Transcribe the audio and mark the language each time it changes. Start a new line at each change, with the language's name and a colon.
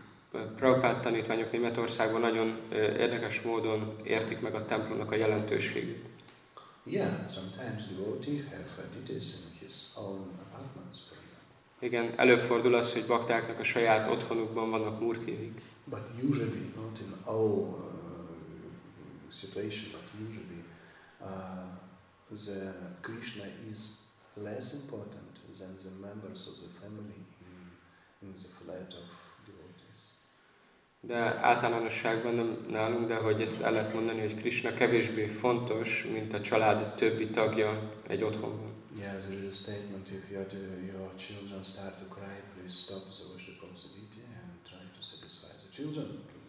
Hungarian: Prabhupada tanítványok Németországban nagyon érdekes módon értik meg a templomnak a jelentőségét.
English: Yeah, sometimes devotees have faditis in his own apartments.
Hungarian: Igen, előfordul az, hogy baktáknak a saját otthonukban vannak murtiaik.
English: But usually, not in all situation, but usually, the Krishna is less important than the members of the family in the flat of devotees.
Hungarian: De általánosságban nem nálunk, de hogy ezt el lehet mondani, hogy Krishna kevésbé fontos, mint a család többi tagja egy otthonban.
English: Yeah, there is a statement, if your children start to cry, please stop the worship of the deity and try to satisfy the children.